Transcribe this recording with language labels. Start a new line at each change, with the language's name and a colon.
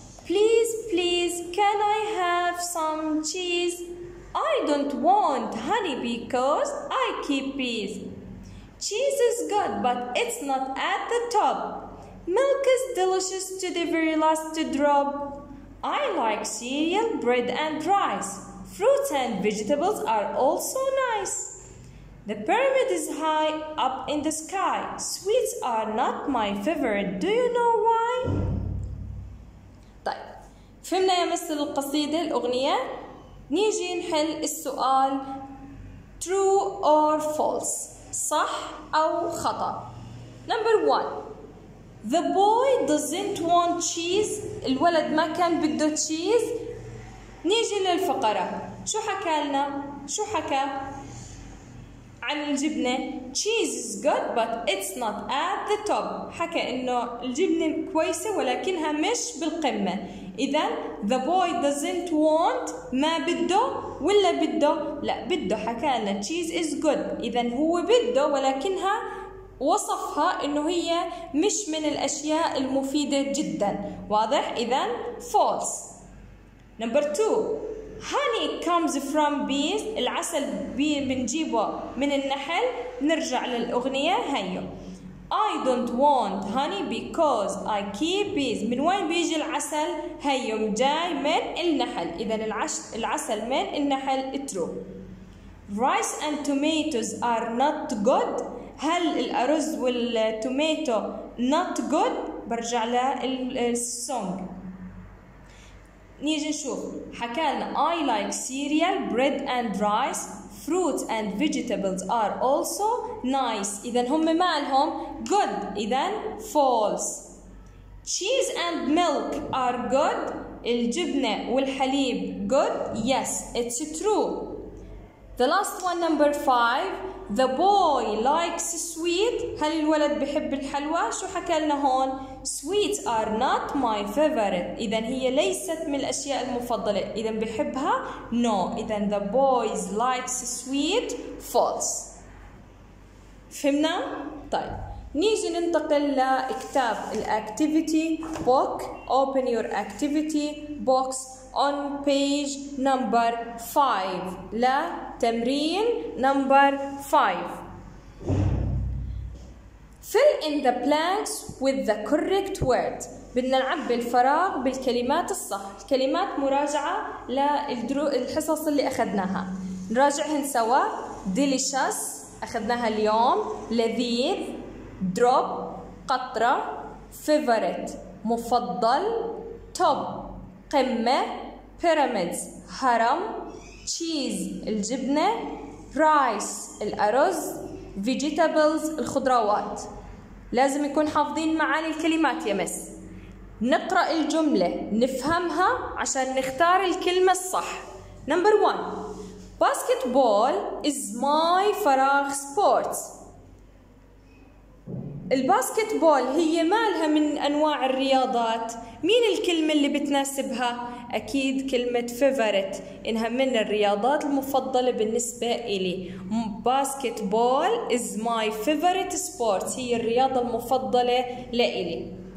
English: Please can I have some cheese? I don't want honey because I keep bees. Cheese is good but it's not at the top. Milk is delicious to the very last drop. I like cereal, bread and rice. Fruits and vegetables are also nice. The pyramid is high up in the sky. Sweets are not my favorite. Do you know why?
Arabic: طيب فهمنا يا مستر القصيدة الأغنية. نيجي نحل السؤال.
English: True or false.
Arabic: صح أو خطأ.
English: Number one. The boy doesn't want cheese.
Arabic: الولد ما كان بده تشيز. نيجي للفقرة. شو حكى لنا؟ شو حكى عن الجبنة؟
English: cheese is good but it's not at the top.
Arabic: حكى انه الجبنة كويسة ولكنها مش بالقمة. إذا
English: the boy doesn't want
Arabic: ما بده ولا بده؟ لا بده، حكى لنا
English: cheese is good.
Arabic: إذا هو بده ولكنها وصفها إنه هي مش من الأشياء المفيدة جدا، واضح؟ إذا false.
English: Number two, honey comes from bees.
Arabic: العسل بنجيبه من النحل. نرجع للأغنية هيو.
English: I don't want honey because I keep bees.
Arabic: من وين بيجي العسل؟ هيو جاي من النحل. إذا العسل من النحل. True.
English: Rice and tomatoes are not good.
Arabic: هل الأرز والتوميتو
English: not good؟
Arabic: برجع للسونج. نيجي نشوف، حكى لنا
English: I like cereal, bread and rice. Fruits and vegetables are also nice.
Arabic: إذن هم مالهم good. إذن false.
English: Cheese and milk are good.
Arabic: الجبنة والحليب good.
English: Yes, it's true. The last one, number five. The boy likes sweet.
Arabic: هل الولد بحب الحلوى؟ شو حكى لنا هون؟
English: Sweets are not my favorite.
Arabic: إذن هي ليست من الأشياء المفضلة. إذن بحبها؟ No. إذن
English: the boys likes sweet. False.
Arabic: فهمنا؟ طيب نيجي ننتقل لكتاب الأكتيفيتي بوك.
English: Open your activity box on page number 5.
Arabic: لتمرين
English: number 5. Fill in the blanks with the correct words.
Arabic: بدنا نعبي الفراغ بالكلمات الصح. الكلمات مراجعة للحصص اللي أخذناها. نراجعهن سوا. Delicious أخذناها اليوم. لذيذ. Drop قطرة. Favorite مفضل. Top قمة. Pyramids هرم. Cheese الجبنة. Rice الأرز. Vegetables الخضروات. لازم يكون حافظين معاني الكلمات يا مس. نقرأ الجملة نفهمها عشان نختار الكلمة الصح.
English: Number one. Basketball is my فراغ sports.
Arabic: الباسكتبول هي مالها من أنواع الرياضات؟ مين الكلمة اللي بتناسبها؟ أكيد كلمة favorite، إنها من الرياضات المفضلة بالنسبة إلي.
English: Basketball is my favorite sport.
Arabic: هي الرياضة المفضلة لإلي.